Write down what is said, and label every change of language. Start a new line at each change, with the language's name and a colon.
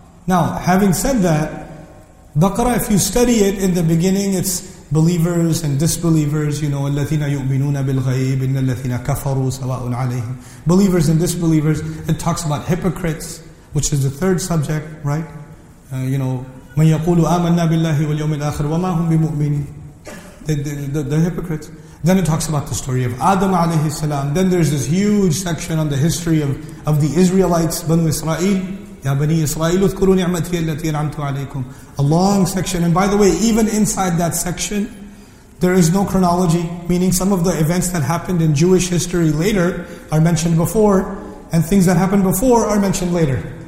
English: Now, having said that, Baqarah, if you study it in the beginning, it's believers and disbelievers, you know,
Arabic: الَّذِينَ يُؤْمِنُونَ بِالْغَيْبِ إِنَّ الَّذِينَ كَفَرُوا سَوَاءٌ عَلَيْهِمْ.
English: Believers and disbelievers. It talks about hypocrites, which is the third subject, right? You know,
Arabic: مَنْ يَقُولُ آمَنَّا بِاللَّهِ وَالْيَوْمِ الْآخِرِ وَمَا هُمْ بِمُؤْمِنِينَ.
English: The hypocrites. Then it talks about the story of Adam alayhi salam. Then there's this huge section on the history of the Israelites, Banu Israel.
Arabic: يَا بَنِي إِسْرَائِيلُ اذْكُرُوا نِعْمَتِيَ الَّتِي أَنْعَمْتُ عَلَيْكُمْ.
English: A long section. And by the way, even inside that section, there is no chronology, meaning some of the events that happened in Jewish history later are mentioned before, and things that happened before are mentioned later.